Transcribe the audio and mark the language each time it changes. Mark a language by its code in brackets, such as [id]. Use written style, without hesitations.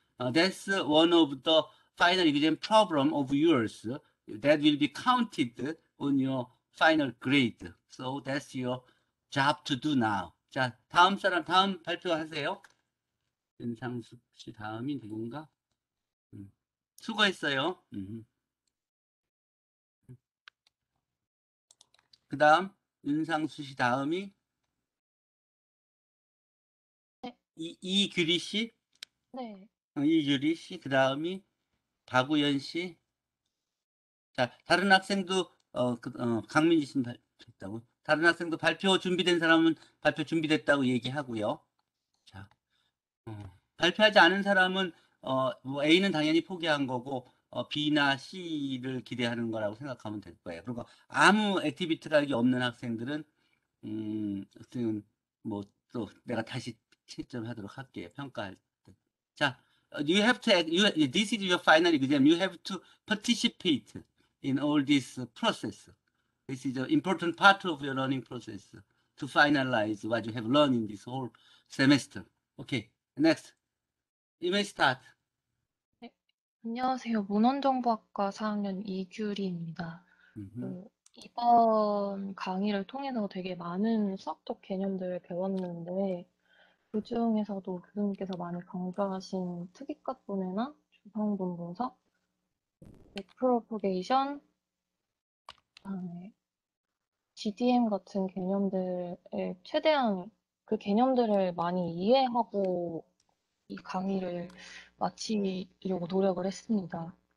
[en] That's one of the final exam problem of yours. That will be counted on your final grade. So that's your job to do now. [ko] 자, 다음 사람 다음 발표하세요. 윤상숙 씨 다음이 누군가? 수고했어요. 그다음 윤상수 씨 다음이 이규리 씨, 네. 이규리 씨 그다음이 박우연 씨. 자, 다른 학생도 강민지 씨 발표했다고. 다른 학생도 발표 준비된 사람은 발표 준비됐다고 얘기하고요. 발표하지 않은 사람은 뭐 A는 당연히 포기한 거고. B나 C를 기대하는 거라고 생각하면 될 거예요. 그리고 아무 액티비티가 여기 없는 학생들은 어쨌든 뭐또 내가 다시 채점하도록 할게요. 평가할 때. 자, [en] this is your final exam. You have to participate in all this process. This is an important part of your learning process to finalize what you have learned in this whole semester. Okay, next. You may start. [ko] 안녕하세요. 문헌정보학과 4학년 이규리입니다. 이번 강의를 통해서 되게 많은 수학적 개념들을 배웠는데, 그중에서도 교수님께서 많이 강조하신 특이값 분해나 조성분 분석, 레프로포게이션, 그다음에 GDM 같은 개념들에 최대한 그 개념들을 많이 이해하고 이 강의를 마치려고 노력을 했습니다.